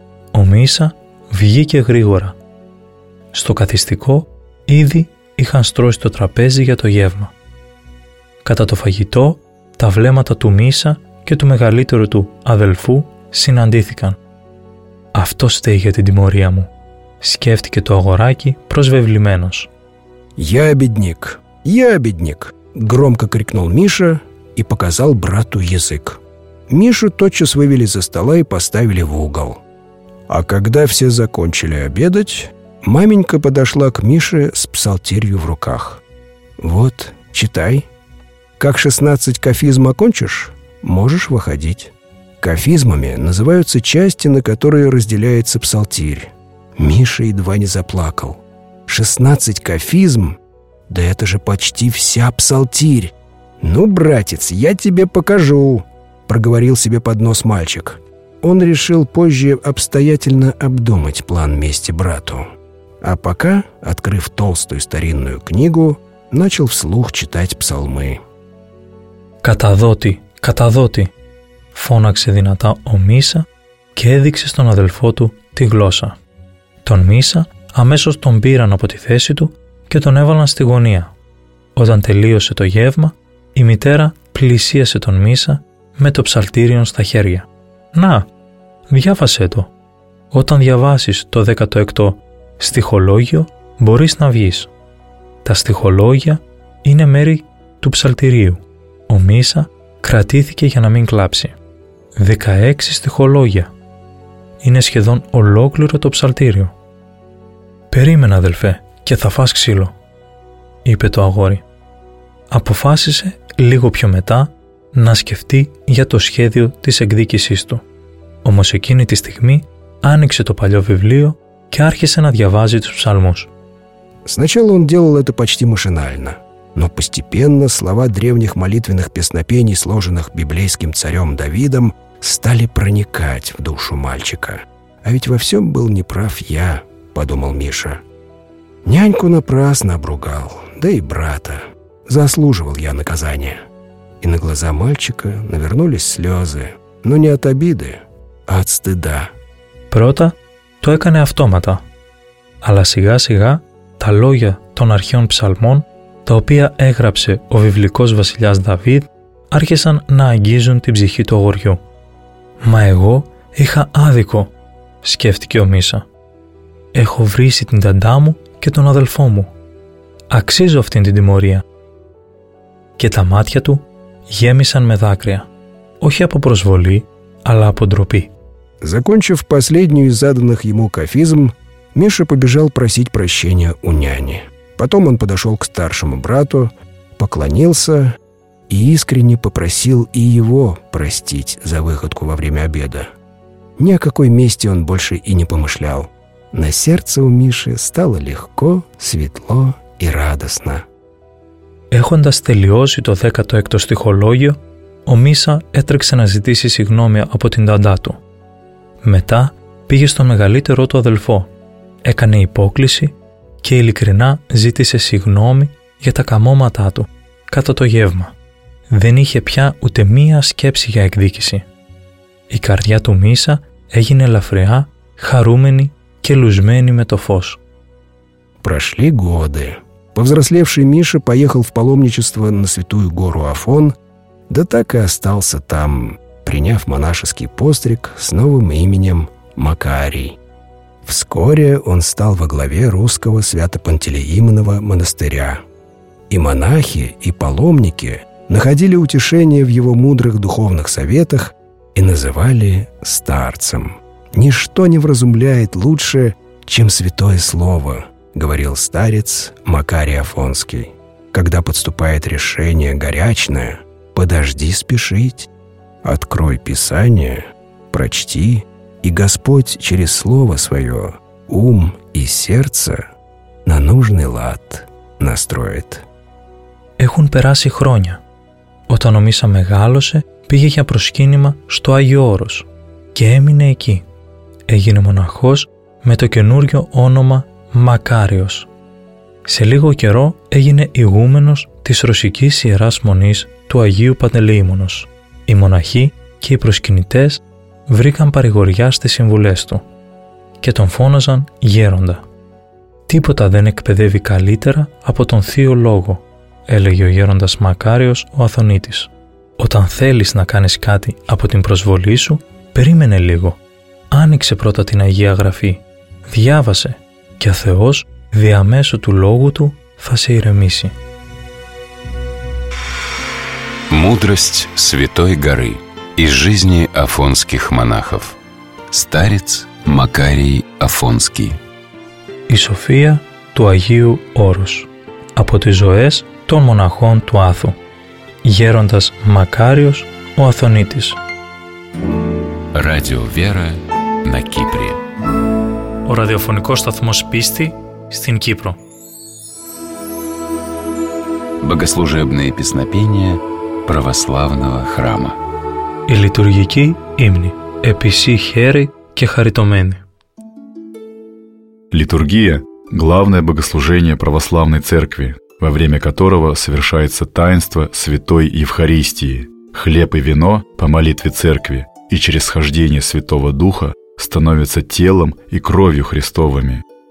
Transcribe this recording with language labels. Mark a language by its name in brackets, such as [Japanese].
[Greek] Ο Μίσα βγήκε γρήγορα. Στο καθιστικό ήδη είχαν στρώσει το τραπέζι για το γεύμα. Κατά το φαγητό, τα βλέμματα του Μίσα και του μεγαλύτερου του αδελφού συναντήθηκαν. «Αυτό στέει για την τιμωρία μου», σκέφτηκε το αγοράκι προσβεβλημένος. [Russian] «Я бедник, я бедник», громко крикнул Миша и показал брату язык. Мишу тотчас вывели за стола и поставили в угол. А когда все закончили обедать, маменька подошла к Мише с псалтирью в руках. «Вот, читай. Как 16 кафизм окончишь, можешь выходить». Кафизмами называются части, на которые разделяется псалтирь. Миша едва не заплакал. 16 кафизм? Да это же почти вся псалтирь! «Ну, братец, я тебе покажу», — проговорил себе под нос мальчик. Он решил позже обстоятельно обдумать план мести брату. А пока, открыв толстую старинную книгу, начал вслух читать псалмы. [Greek] «Καταδότη, καταδότη», — φώναξε δυνατά ο Μίσα και έδειξε στον αδελφό του τη γλώσσα. Τον Μίσα αμέσως τον πήραν από τη θέση του και τον έβαλαν στη γωνία. Όταν τελείωσε το γεύμα, η μητέρα πλησίασε τον Μίσα με το ψαλτήριον στα χέρια. «Να, διάβασέ το. Όταν διαβάσεις το 16ο στιχολόγιο, μπορείς να βγεις. Τα στιχολόγια είναι μέρη του ψαλτηρίου». Ο Μίσα κρατήθηκε για να μην κλάψει. 16 στιχολόγια. Είναι σχεδόν ολόκληρο το ψαλτήριο. «Περίμενα, αδελφέ, και θα φας ξύλο», είπε το αγόρι. Αποφάσισε λίγο πιο μετά να σκεφτεί για το σχέδιο της εκδίκησής του. Όμως εκείνη τη στιγμή άνοιξε το παλιό βιβλίο και άρχισε να διαβάζει τους ψαλμούς. [Russian] Сначала он делал это почти машинально, но постепенно слова древних молитвенных песнопений, сложенных библейским царем Давидом, стали проникать в душу мальчика. «А ведь во всем был не прав я», — подумал Миша. «Няньку напрасно обругал, да и брата. Заслуживал я наказание». И на глаза мальчика навернулись слезы, но не от обиды, а от стыда. [Greek] Прота то έκανε автомата. Αλλά сига сига τα λόγια των αρχαίων ψαλμών, τα οποία έγραψε ο βιβλικός βασιλιάς Δαβίδ, άρχισαν να αγγίζουν την ψυχή του αγοριού. «Μα εγώ είχα άδικο», σκέφτηκε ο Μίσα. «Έχω βρήσει την ταντά μου και τον αδελφό μου. Αξίζω αυτήν την τιμωρία». Και τα μάτια του γέμισαν με δάκρυα, όχι από προσβολή, αλλά από ντροπή. [Russian] Закончив последнюю из заданных ему кафизм, Миша побежал просить прощения у няни. Потом он подошел к старшему брату, поклонился и искренне попросил и его простить за выходку во время обеда. Ни о какой мести он больше и не помышлял. На сердце у Миши стало легко, светло и радостно. [Greek] Έχοντας τελειώσει το 16ο στιχολόγιο, ο Μίσα έτρεξε να ζητήσει συγγνώμη από την ταντά του. Μετά πήγε στο μεγαλύτερό του αδελφό, έκανε υπόκληση και ειλικρινά ζήτησε συγγνώμη για τα καμώματά του κατά το γεύμα. Δεν είχε πια ούτε μία σκέψη για εκδίκηση. Η καρδιά του Μίσα έγινε ελαφριά, χαρούμενη και λουσμένη με το φως. [Russian] Прошли годы. Повзрослевший Миша поехал в паломничество на святую гору Афон, да так и остался там, приняв монашеский постриг с новым именем Макарий. Вскоре он стал во главе русского свято-пантелеимонова монастыря. И монахи, и паломники находили утешение в его мудрых духовных советах и называли старцем. «Ничто не вразумляет лучше, чем святое слово», — говорил старец Макарий Афонский. «Когда подступает решение горячное, подожди спешить, открой Писание, прочти, и Господь через слово свое ум и сердце на нужный лад настроит». [Greek] Έχουν περάσει χρόνια. Όταν ο Μίσα μεγάλωσε, πήγε για προσκύνημα στο Άγιο Όρος και έμεινε εκεί. Έγινε μοναχός με το καινούριο όνομα Μακάριος. Σε λίγο καιρό έγινε ηγούμενος της Ρωσικής Ιεράς Μονής του Αγίου Παντελεήμονος. Οι μοναχοί και οι προσκυνητές βρήκαν παρηγοριά στις συμβουλές του και τον φώναζαν γέροντα. «Τίποτα δεν εκπαιδεύει καλύτερα από τον Θείο Λόγο», έλεγε ο γέροντας Μακάριος ο Αθωνίτης. «Όταν θέλεις να κάνεις κάτι από την προσβολή σου, περίμενε λίγο. Άνοιξε πρώτα την Αγία Γραφή, διάβασε και ο Θεός διαμέσου του Λόγου Του θα σε ηρεμήσει». [Russian] Мудрость Святой Горы из жизни афонских монахов. Старец Макарий Афонский. [Greek] Η Σοφία του Αγίου Όρους. Από τις ζωές των μοναχών του Άθου. Γέροντας Μακάριος ο Αθωνίτης. [Russian] Radio Vera на Кипре. [Greek] Ο ραδιοφωνικός σταθμός πίστη στην Κύπρο. [Russian] Богослужебные песнопения православного храма. [Greek] Η λειτουργική ύμνη. Επισή χέρι και χαριτωμένη. [Russian] Литургия – главное богослужение православной церкви, во время которого совершается таинство Святой Евхаристии, хлеб и вино по молитве церкви, и через схождение Святого Духа становится телом и кровью Христовыми.